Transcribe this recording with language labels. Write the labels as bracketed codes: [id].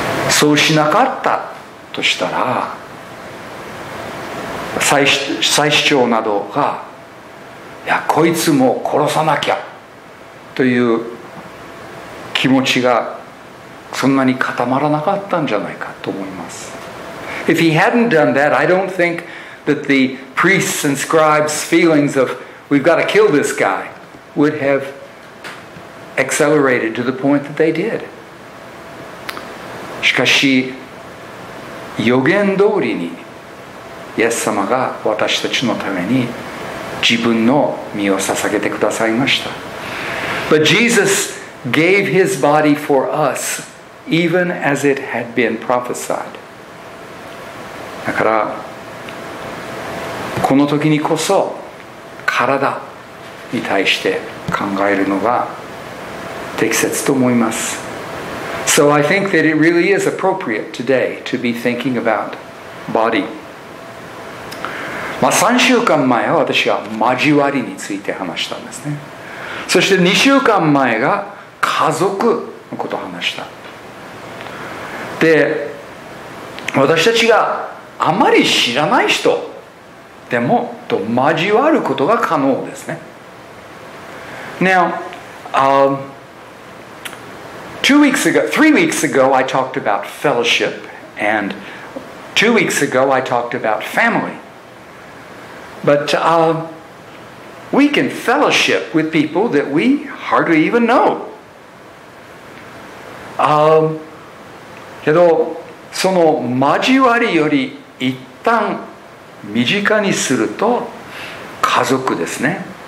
[ja] そうしなかったとしたら、祭司長などが、いや、こいつも殺さなきゃという気持ちがそんなに固まらなかったんじゃないかと思います。 [en] If he hadn't done that, I don't think that the priests and scribes' feelings of we've got to kill this guy would have accelerated to the point that they did. [ja] しかし予言通りにイエス様が私たちのために自分の身を捧げてくださいました。 [en] But Jesus gave his body for us even as it had been prophesied. [ja] だからこの時にこそ体に対して考えるのが適切と思います。 [en] So I think that it really is appropriate today to be thinking about body. [ja] まあ3週間前は私は交わりについて話したんですね。そして2週間前が家族のことを話した。で、私たちがあまり知らない人でもと交わることが可能ですね。 [en] Now, Three weeks ago, I talked about fellowship, and 2 weeks ago, I talked about family. But we can fellowship with people that we hardly even know. [ja] けど、その交わりより一旦身近にすると家族ですね。